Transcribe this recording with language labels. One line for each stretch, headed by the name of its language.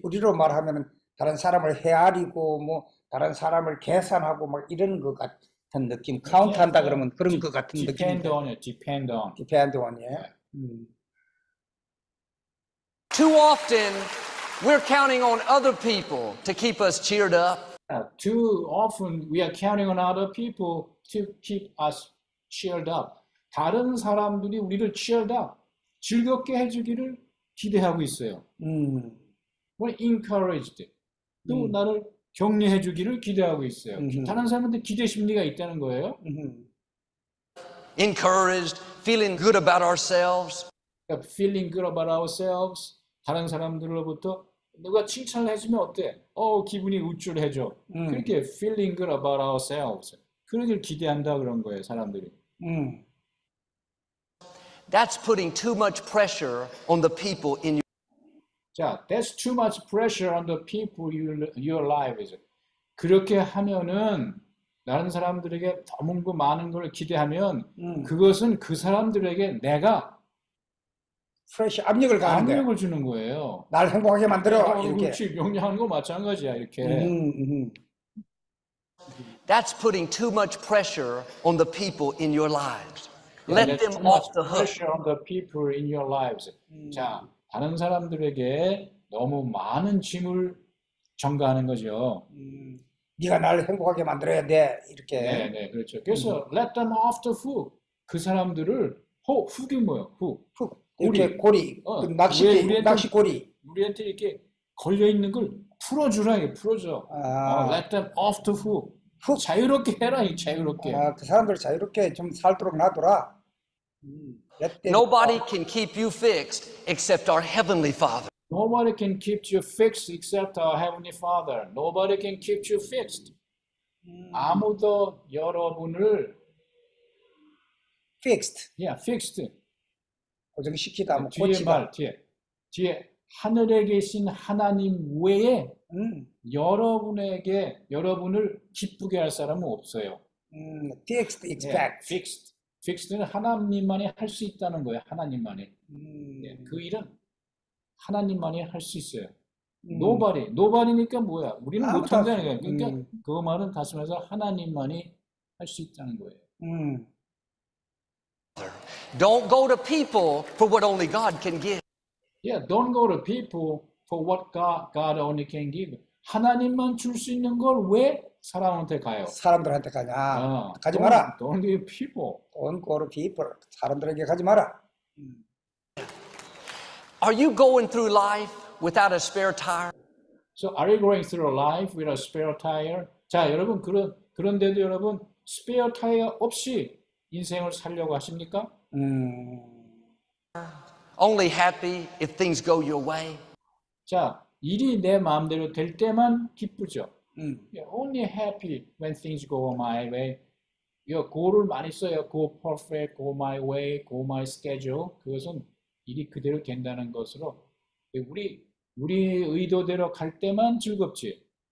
Korean: 우리로 말하면 다른 사람을 헤아리고 뭐 다른 사람을 계산하고 막 이런 것 같은 느낌. 카운트한다 네. 그러면 그런 것 같은 느낌.
English: Depend on. Yeah. Too often we're counting on other people to keep us cheered up. Too often we are counting on other people to keep us cheered up.
Korean: 다른 사람들이 우리를 치열다 즐겁게 해주기를 기대하고 있어요.
English: Encouraged.
Korean: 또 나를 격려해 주기를 기대하고 있어요. 다른 사람들한테 기대 심리가 있다는 거예요.
English: Encouraged, feeling good about ourselves. Feeling good about ourselves.
Korean: 다른 사람들로부터 누가 칭찬을 해주면 어때? 기분이 우쭐해져. 그렇게
English: feeling good about ourselves.
Korean: 그러길 기대한다 그런 거예요, 사람들이.
English: That's putting too much pressure on the people in your That's too much pressure on the people in your life, is it?
Korean: 그렇게 하면은 다른 사람들에게 너무 많은 걸 기대하면 그것은 그 사람들에게 내가 압력을 가하는 거예요. 압력을 주는 거예요. 날 행복하게 만들어. 그렇지. 명령하는 거 마찬가지야, 이렇게.
English: That's putting too much pressure on the people in your lives. Let them off the hook. Pressure on the people in your lives.
Korean: 자, 다른 사람들에게 너무 많은 짐을 전가하는 거죠. 네가 날 행복하게 만들어야 돼, 이렇게. 네, 그렇죠. 그래서
English: let them off the hook.
Korean: 그 사람들을 훅이 뭐예요? 훅. 이렇게 고리, 낚시고리. 우리한테 이렇게 걸려있는 걸 풀어주라, 풀어줘.
English: Let them off the hook. 훅.
Korean: 자유롭게 해라, 자유롭게. 그 사람들 자유롭게 좀 살도록 놔둬라.
English: Nobody can keep you fixed except our Heavenly Father. Nobody can keep you fixed except our Heavenly Father. Nobody can keep you fixed.
Korean: 아무도 여러분을
English: fixed. Yeah, fixed.
Korean: 고정시키다, 뭐 뒤에 고치다. 말, 뒤에 하늘에 계신 하나님 외에 여러분에게 여러분을 기쁘게 할 사람은 없어요.
English: Fixed, expect.
Korean: Yeah, fixed. Fixed는 하나님만이 할 수 있다는 거예요. 하나님만이. 그 일은 하나님만이 할 수 있어요. Nobody. Nobody니까 뭐야? 우리는 못한다는 거예요. 그러니까 그 말은 다시 말해서 하나님만이 할 수 있다는 거예요.
English: Don't go to people for what only God can give. Yeah, don't go to people for what God only can give.
Korean: 하나님만 줄 수 있는 걸 왜 사람한테 가요? 사람들한테 가냐? 가지
English: don't,
Korean: 마라.
English: Don't go to people. Don't go to people.
Korean: 사람들에게 가지 마라.
English: Are you going through life without a spare tire? So are you going through life without a spare tire?
Korean: 자, 여러분 그런데도 여러분 spare tire 없이 인생을 살려고 하십니까?
English: Only happy if things go your way.
Korean: 자, 일이 내 마음대로 될 때만 기쁘죠.
English: Yeah, only happy when things go my way.
Korean: 이거 go를 많이 써요.
English: Go perfect, go my way, go my schedule.
Korean: 그것은 일이 그대로 된다는 것으로 우리 의도대로 갈 때만 즐겁지.